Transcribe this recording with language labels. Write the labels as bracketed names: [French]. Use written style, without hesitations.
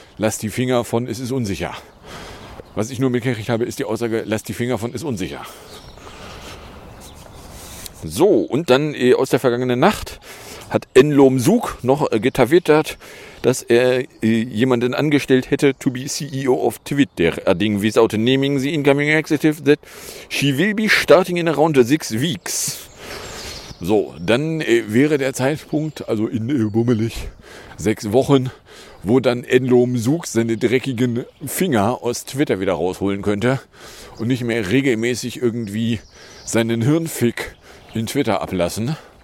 [German] Lass die Finger von, es ist unsicher. Was ich nur mitgekriegt habe, ist die Aussage, lass die Finger von, ist unsicher. So, und dann aus der vergangenen Nacht hat Enlom Suk noch getwittert, dass er jemanden angestellt hätte, [English] to be CEO of Twitter. Adding without naming the incoming executive that she will be starting in around 6 weeks. [German] So, dann wäre der Zeitpunkt, also in bummelig 6 Wochen, wo dann Enlom Suk seine dreckigen Finger aus Twitter wieder rausholen könnte und nicht mehr regelmäßig irgendwie seinen Hirnfick in Twitter ablassen.